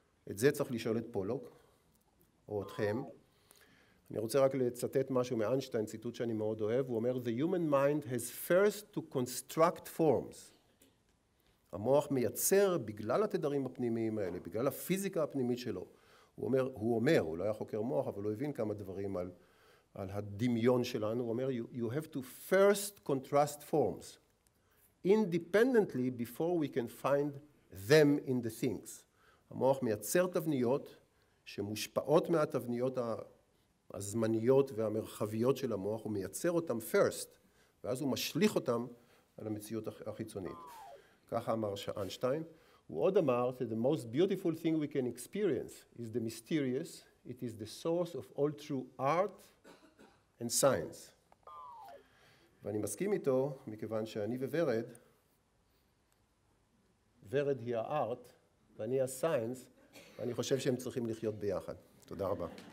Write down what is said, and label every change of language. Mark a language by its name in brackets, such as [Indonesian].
[Hebrew] את זה צריך לשאול את פולוק, או אתכם. אני רוצה רק לצטט משהו מאיינשטיין, ציטוט שאני מאוד אוהב, הוא אומר, [English] The human mind has first to construct forms. [Hebrew] המוח מייצר בגלל התדרים הפנימיים האלה, בגלל הפיזיקה הפנימית שלו. הוא אומר, הוא לא היה חוקר מוח, אבל הוא הבין כמה דברים על הדמיון שלנו, הוא אומר, [English] you have to first contrast forms. independently before we can find them in the things. [Hebrew] המוח מייצר תבניות שמושפעות מהתבניות הזמניות והמרחביות של המוח, הוא מייצר אותם first, ואז הוא משליך אותם על המציאות החיצונית. ככה אמר איינשטיין. הוא עוד אמר, [English] the most beautiful thing we can experience is the mysterious, it is the source of all true art and science. [Hebrew] ואני מסכים איתו, מכיוון שאני וורד, וורד היא הארט, ואני הסיינס, ואני חושב שהם צריכים לחיות ביחד. תודה רבה.